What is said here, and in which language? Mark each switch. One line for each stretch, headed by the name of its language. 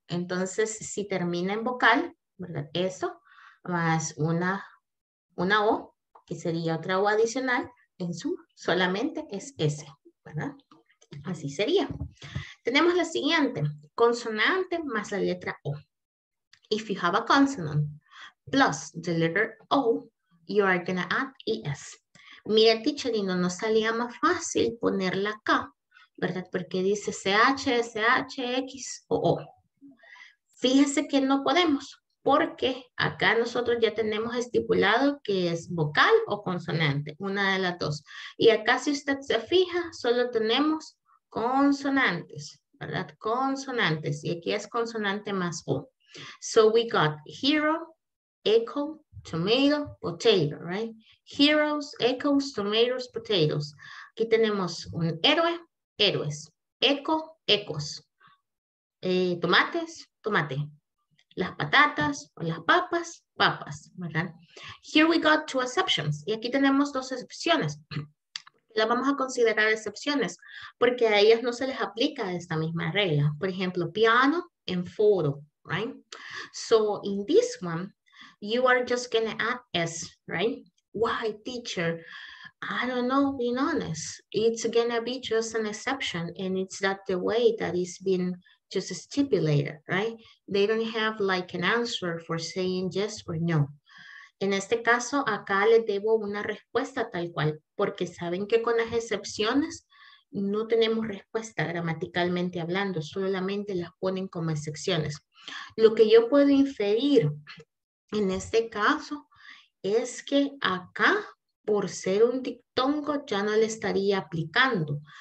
Spanish: Entonces, si termina en vocal, ¿verdad? Eso, más una O, que sería otra O adicional, en su solamente es S, ¿verdad? Así sería. Tenemos la siguiente, consonante más la letra O.
English: If you have a consonant plus the letter O, you are going to add ES.
Spanish: Mira, teacher, y no nos salía más fácil ponerla acá, ¿verdad? Porque dice CH, SH, X o O. Fíjese que no podemos, porque acá nosotros ya tenemos estipulado que es vocal o consonante, una de las dos. Y acá, si usted se fija, solo tenemos consonantes, ¿verdad? Consonantes, y aquí es consonante más O.
English: So we got hero, echo, tomato, potato, right? Heroes, echoes, tomatoes, potatoes.
Spanish: Aquí tenemos un héroe, héroes. Echo, echos. Tomates, tomate. Las patatas o las papas, papas, ¿verdad?
English: Here we got two exceptions.
Spanish: Y aquí tenemos dos excepciones. Las vamos a considerar excepciones porque a ellas no se les aplica esta misma regla. Por ejemplo, piano en foro, right?
English: So in this one, you are just going to add S, right? Why, teacher? I don't know, being honest. It's going to be just an exception, and it's that the way that it's been just stipulated, right? They don't have like an answer for saying yes or no.
Spanish: En este caso, acá les debo una respuesta tal cual, porque saben que con las excepciones no tenemos respuesta gramaticalmente hablando, solamente las ponen como excepciones. Lo que yo puedo inferir en este caso es que acá, por ser un diptongo, ya no le estaría aplicando.